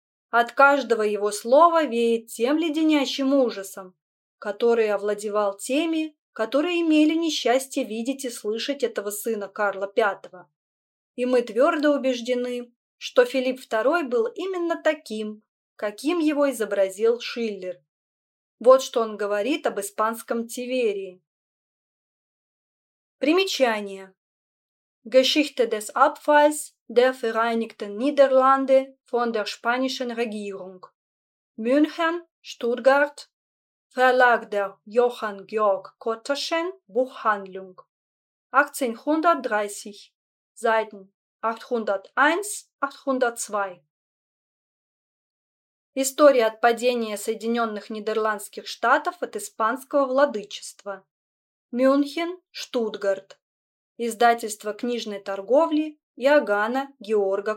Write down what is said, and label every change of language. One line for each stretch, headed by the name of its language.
Russian: От каждого его слова веет тем леденящим ужасом, который овладевал теми, которые имели несчастье видеть и слышать этого сына Карла V. И мы твердо убеждены, что Филипп II был именно таким, каким его изобразил Шиллер. Вот что он говорит об испанском Тиверии. Примечание.
German: Geschichte des Abfalls der Vereinigten Niederlande von der spanischen Regierung. München, Stuttgart. Verlag der Johann Georg Kottaschen Buchhandlung 1830, Seiten 801-802.
Russian: История от падения Соединенных Нидерландских Штатов от испанского владычества. Мюнхен, Штутгарт. Издательство книжной торговли Иоганна Георга Котта. 1830.